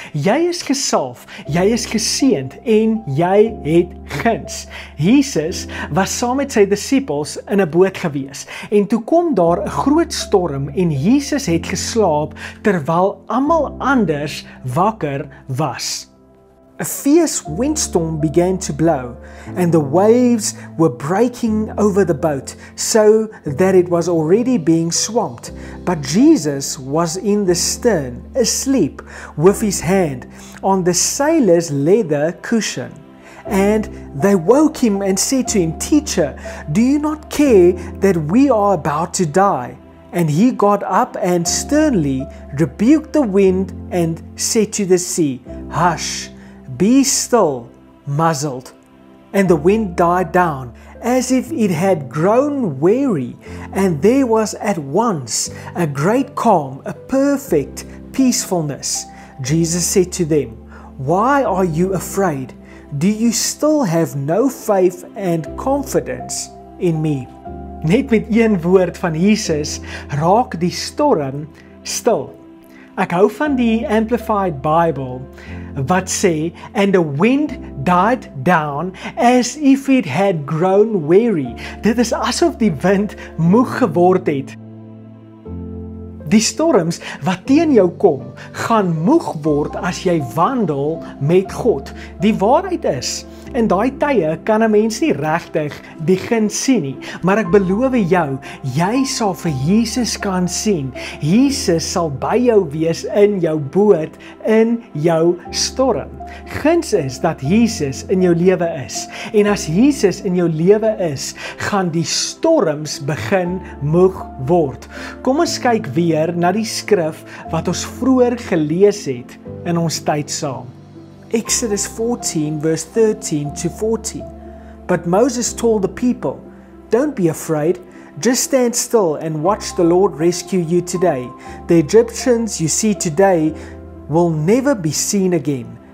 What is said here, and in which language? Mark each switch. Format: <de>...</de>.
<af>Jy is gesalf, jy is geseend en jy het guns. Jesus was saam met sy disippels in 'n boot gewees en toe kom daar 'n groot storm en Jesus het geslaap terwyl almal anders wakker was.</af> <en>A fierce windstorm began to blow, and the waves were breaking over the boat, so that it was already being swamped. But Jesus was in the stern, asleep, with his hand on the sailor's leather cushion. And they woke him and said to him, "Teacher, do you not care that we are about to die?" And he got up and sternly rebuked the wind and said to the sea, "Hush! Be still," muzzled, and the wind died down, as if it had grown weary, and there was at once a great calm, a perfect peacefulness. Jesus said to them, "Why are you afraid? Do you still have no faith and confidence in me?"</en> <af>Net met een woord van Jesus, raak die storm stil. Ek hou van die Amplified Bible wat sê,</af> <en>"And the wind died down as if it had grown weary."</en> <af>Dit is asof die wind moeg geword het. Die storms wat teen jou kom, gaan moeg word as jy wandel met God. Die waarheid is, in daai tye kan 'n mens nie regtig die guns sien nie, maar ek beloof jou, jy sal vir Jesus kan sien. Jesus sal by jou wees in jou boot, in jou storm. Guns is dat Jesus in jou lewe is, en as Jesus in jou lewe is, gaan die storms begin moeg word. Kom ons kyk weer na die skrif wat ons vroeër gelees het in ons tyd saam.</af> <en>Exodus 14 verse 13 to 14. But Moses told the people, "Don't be afraid, just stand still and watch the Lord rescue you today. The Egyptians you see today will never be seen again.</en>